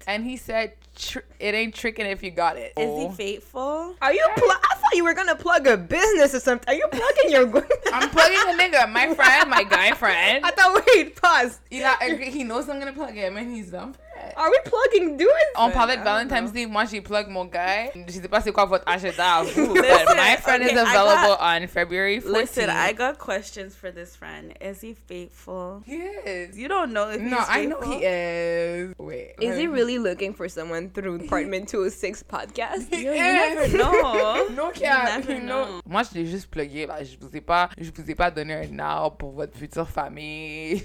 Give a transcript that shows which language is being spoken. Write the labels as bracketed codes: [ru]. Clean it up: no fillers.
[en] And he said, it ain't tricking if you got it. Is he faithful? Are you I thought you were gonna plug a business or something. Are you plugging your... I'm plugging a nigga. My friend, my guy friend. I thought, pause. He knows I'm gonna plug him and he's dumb. Are we plugging dudes? [fr] On parle de Valentine's Day, moi j'ai plug mon guy. Je sais pas c'est quoi votre agenda à vous, [en] but my friend is available on February 14th. Listen, I got questions for this friend. Is he faithful? He is. You don't know if he's faithful? No, I know he is. Wait. Is he really looking for someone through Apartment 206 podcast? You never know. No cap. You never know. [fr] Moi, je l'ai juste plugué. Je vous ai pas donné un now pour votre future famille.